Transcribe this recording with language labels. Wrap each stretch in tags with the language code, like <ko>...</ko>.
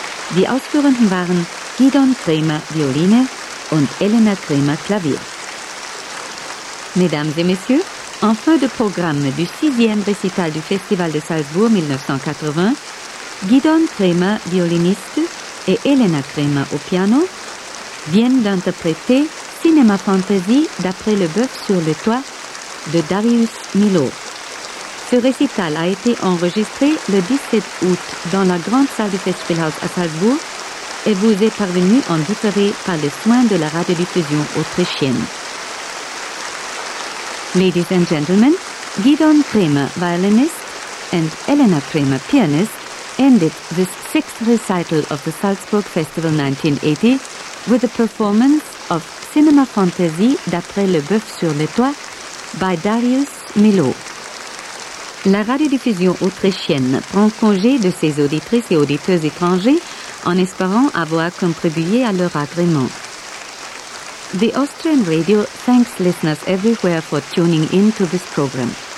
<de>Die Ausführenden waren Gidon Kremer Violine und Elena Kremer Klavier.</de> <fr>Mesdames et Messieurs, en fin de programme du 6e récital du Festival de Salzbourg 1980, Gidon Kremer Violiniste et Elena Kremer au piano viennent d'interpréter Cinéma Fantaisie d'après Le Bœuf sur le Toit de Darius Milhaud. Ce récital a été enregistré le 17 août dans la grande salle du Festspielhaus à Salzbourg et vous est parvenu en différé par les soins de la radiodiffusion autrichienne.</fr> <en>Ladies and gentlemen, Gidon Kremer, violinist, and Elena Kremer, pianist, ended this sixth recital of the Salzburg Festival 1980 with a performance of Cinéma Fantaisie d'après Le Bœuf sur le Toit by Darius Milhaud.</en> <fr>La radiodiffusion autrichienne prend congé de ses auditrices et auditeurs étrangers en espérant avoir contribué à leur agrément.</fr> <en>The Austrian Radio thanks listeners everywhere for tuning in to this program.</en>